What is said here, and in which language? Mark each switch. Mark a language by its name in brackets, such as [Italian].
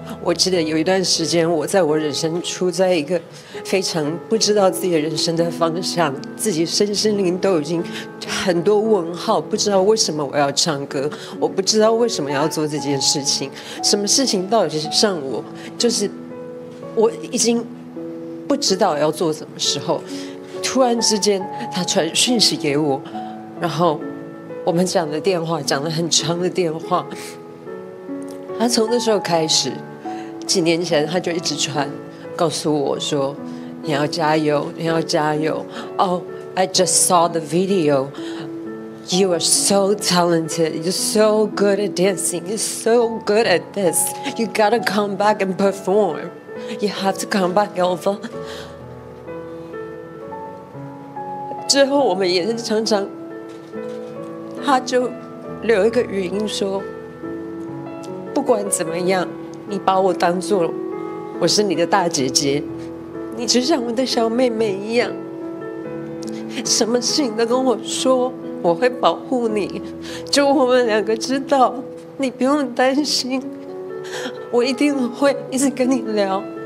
[Chinese] 我记得有一段时间，我在我人生处在一个非常不知道自己的人生的方向，自己身心灵都已经很多问号，不知道为什么我要唱歌，我不知道为什么要做这件事情，什么事情到底是上我，就是我已经不知道要做什么时候，突然之间他传讯息给我，然后我们讲的电话，讲了很长的电话。他从那时候开始，几年前他就一直传，告诉我说你要加油，你要加油。 [English] Oh, I just saw the video. You are so talented. You're so good at dancing. You're so good at this. You gotta come back and perform. You have to come back, Alpha. [Chinese] 之后我们也是常常，他就留一个语音说，不管怎么样，你把我当作我是你的大姐姐，你就像我的小妹妹一样，什么事情都跟我说，我会保护你，就我们两个知道，你不用担心，我一定会一直跟你聊。